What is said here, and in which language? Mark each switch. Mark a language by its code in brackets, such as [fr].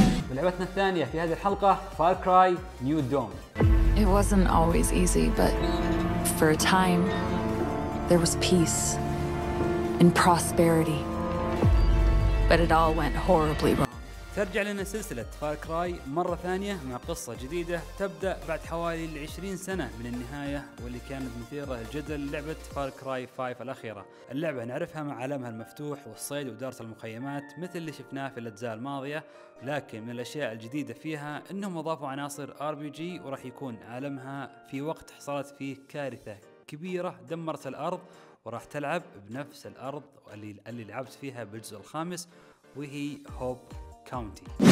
[ar] لعبتنا الثانية في هذه الحلقة Far Cry New Dawn. [en] It wasn't always easy, but for a time there was peace and prosperity. But it all went horribly wrong. [ar] ترجع لنا سلسلة Far Cry مرة ثانية مع قصة جديدة تبدأ بعد حوالي 20 سنة من النهاية، واللي كانت مثيرة للجدل لعبة Far Cry 5 الأخيرة. اللعبة نعرفها مع عالمها المفتوح والصيد ودارة المخيمات مثل اللي شفناه في الأجزاء الماضية، لكن من الأشياء الجديدة فيها أنهم أضافوا عناصر RPG، وراح يكون عالمها في وقت حصلت فيه كارثة كبيرة دمرت الأرض، وراح تلعب بنفس الأرض اللي لعبت فيها بالجزء الخامس وهي هوب كاونتي.